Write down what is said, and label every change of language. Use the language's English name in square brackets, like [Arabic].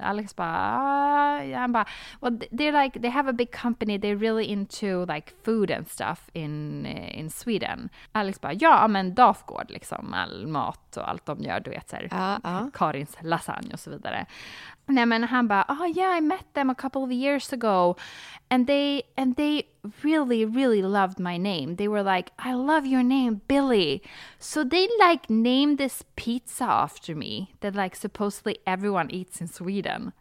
[English] Alex [Swedish] bara, [English] oh, yeah. Han bara, well, they're like, they have a big company, they're really into like food and stuff in Sweden. [Swedish] Alex bara, ja, men Dafgård liksom, all mat och allt de gör, du vet, så här, Karins lasagne och så vidare. Nej, men han bara, [English] oh yeah, I met them a couple of years ago, and they really, really loved my name. They were like, I love your name, Billy. So they like named this pizza after me that like supposedly everyone eats in Sweden.